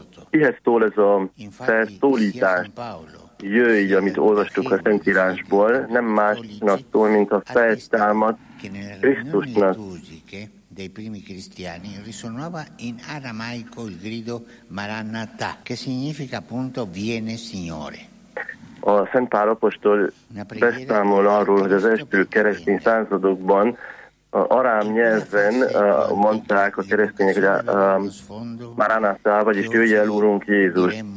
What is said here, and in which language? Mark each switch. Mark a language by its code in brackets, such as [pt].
[hu] Kihez szól ez a felszólítás? Jöjj, amit olvastuk a Szentírásból, nem másnak szól, mint a feltámadt Krisztusnak. [it] Dei primi cristiani risuonava in aramaico il grido Maranatha, che significa appunto viene Signore. [hu] A Szent Pál apostol beszámol arról, hogy az első keresztény századokban arám nyelven mondták a keresztények, hogy Maranatha, vagyis jöjj el, Úrunk Jézus.